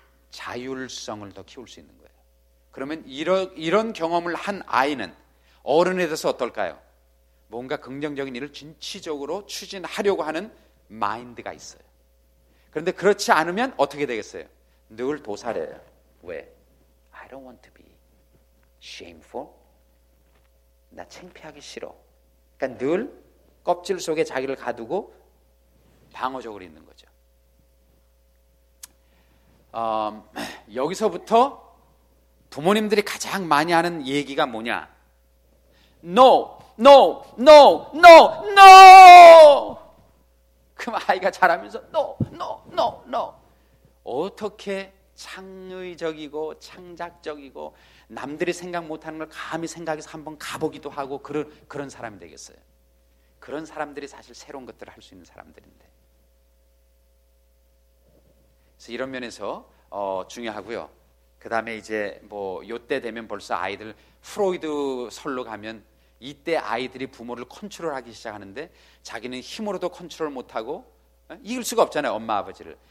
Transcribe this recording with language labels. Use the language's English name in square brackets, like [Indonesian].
[Korean] 자율성을 더 키울 수 있는 거예요. 그러면 이런 경험을 한 아이는 어른에 대해서 어떨까요? 뭔가 긍정적인 일을 진취적으로 추진하려고 하는 마인드가 있어요. 그런데 그렇지 않으면 어떻게 되겠어요? 늘 도살해요. 왜? [English] I don't want to be shameful. [Korean] 나 창피하기 싫어. 그러니까 늘 껍질 속에 자기를 가두고 방어적으로 있는 거죠. 여기서부터 부모님들이 가장 많이 하는 얘기가 뭐냐? [English] No, no, no, no, no! [Korean] 그럼 아이가 자라면서 [English] no, no, no, no. [Korean] 어떻게 창의적이고 창작적이고 남들이 생각 못하는 걸 감히 생각해서 한번 가보기도 하고 그런 사람이 되겠어요? 그런 사람들이 사실 새로운 것들을 할 수 있는 사람들인데. 그래서 이런 면에서 중요하고요. 그 다음에 이제 뭐 요때 되면 벌써 아이들 프로이드 설로 가면 이때 아이들이 부모를 컨트롤하기 시작하는데 자기는 힘으로도 컨트롤 못하고 이길 수가 없잖아요, 엄마 아버지를.